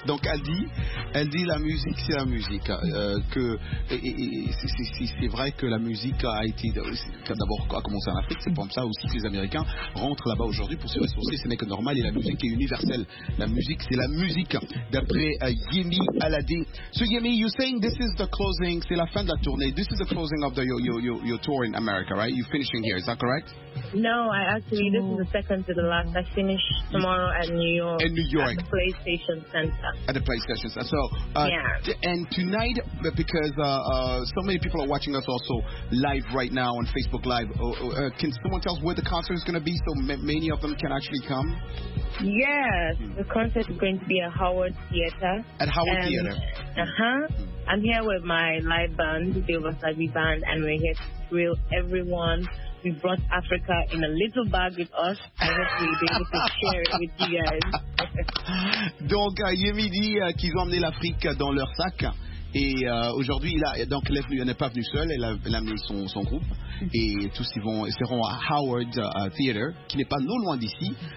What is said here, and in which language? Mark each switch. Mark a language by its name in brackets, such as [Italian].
[French] Donc, elle dit la musique, c'est la musique. C'est vrai que la musique a été... D'abord, a commencé en Afrique, c'est pour ça aussi que les Américains rentrent là-bas aujourd'hui pour se ressourcer. Ce n'est que normal et la musique est universelle. La musique, c'est la musique, d'après Yemi Alade. [English] So, Yemi, you're saying this is the closing, [French] c'est la fin de la tournée. [English] This is the closing of your tour in America, right? You're finishing here, is that correct? No, this is the second to the last. I finish tomorrow. In New York. At the PlayStation Center. And tonight, because so many people are watching us also live right now on Facebook Live, can someone tell us where the concert is going to be so many of them can actually come? Yes. The concert is going to be at Howard Theater. At Howard Theater. I'm here with my live band, the Obasabi Band, and we're here to thrill everyone. We brought Africa in a little bag with us. I hope we'll be able to share it with you guys. [French] Donc, Yemi dit qu'ils ont emmené l'Afrique dans leur sac. Et aujourd'hui, là, donc elle n'est pas venue seule, elle a mis son groupe. Et tous seront à Howard Theater, qui n'est pas non loin d'ici.